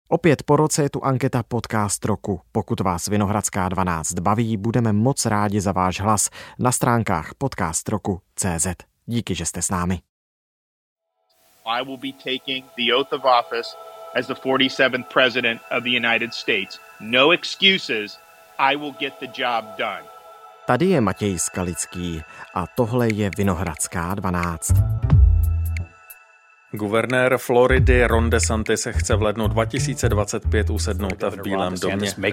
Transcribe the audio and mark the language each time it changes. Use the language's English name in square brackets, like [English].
[Czech] Opět po roce je tu anketa Podcast roku. Pokud vás Vinohradská 12 baví, budeme moc rádi za váš hlas na stránkách podcastroku.cz. Díky, že jste s námi. [English] I will be taking the oath of office as the 47th president of the United States. No excuses, I will get the job done. [Czech] Tady je Matěj Skalický a tohle je Vinohradská 12. Guvernér Floridy Ron DeSantis se chce v lednu 2025 usednout v Bílém domě.